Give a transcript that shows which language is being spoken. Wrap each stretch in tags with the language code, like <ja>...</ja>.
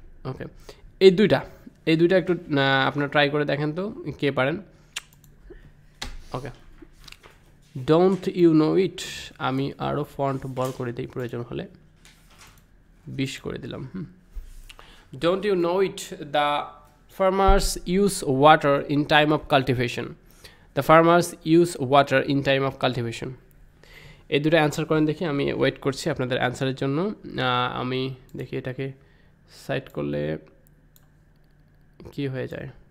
<bn>ওকে, এই দুইটা, এই দুইটা একটু আপনারা ট্রাই করে দেখেন তো কে পারেন। ওকে,</bn> <en>don't you know it,</en> <bn>আমি আরও ফন্ট বড় করে দিই প্রয়োজন হলে, 20 করে দিলাম।</bn> <en>Don't you know it? The farmers use water in time of cultivation. The farmers use water in time of cultivation.</en> <bn>এই দুটো অ্যান্সার করেন দেখি, আমি ওয়েট করছি আপনাদের অ্যান্সারের জন্য। আমি দেখি এটাকে সাইট করলে কী হয়ে যায়।</bn>